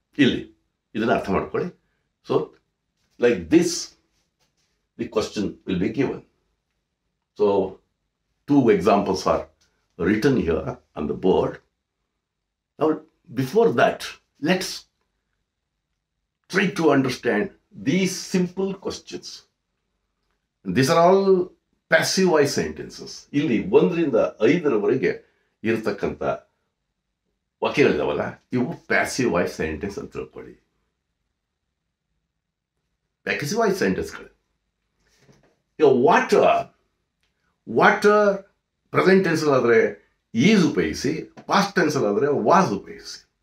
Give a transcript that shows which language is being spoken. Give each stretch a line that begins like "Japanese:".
Kannada: ಇಲ್ಲಿ ಇದನ್ನು ಅರ್ಥ ಮಾಡ್ಕೊಳ್ಳಿ.
English: So like this the question will be given. So two examples are written here on the board. ನಾವು before that let's try to understand these simple questions. These are all passive voice sentences.
Kannada: ಇಲ್ಲಿ ಒಂದರಿಂದ ಐದರವರೆಗೆ ಇರತಕ್ಕಂಥ ವಾಕ್ಯಗಳಿದಾವಲ್ಲ ಇವು passive voice sentence ಅಂತ ತಿಳ್ಕೊಳ್ಳಿ. Passive voice ಸೆಂಟೆನ್ಸ್ಗಳು ಈಗ water water present ಟೆನ್ಸಲ್ಲಾದರೆ is ಉಪಯೋಗಿಸಿ, past ಟೆನ್ಸಲ್ಲಾದರೆ was ಉಪಯೋಗಿಸಿ.